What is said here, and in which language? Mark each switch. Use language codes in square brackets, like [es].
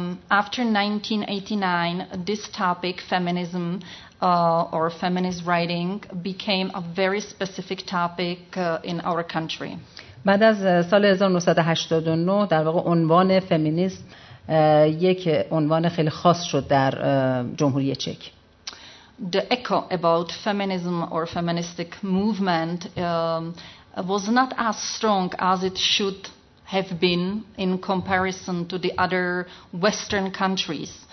[en] After 1989, this topic, feminism, or feminist writing, became a very specific topic in our country. [fa] بعد از سال 1989 در واقع عنوان فمینیسم یک عنوان خیلی خاص شد در جمهوری چک. [en] The echo about feminism or feministic movement was not as strong as it should have been in comparison to the other Western countries.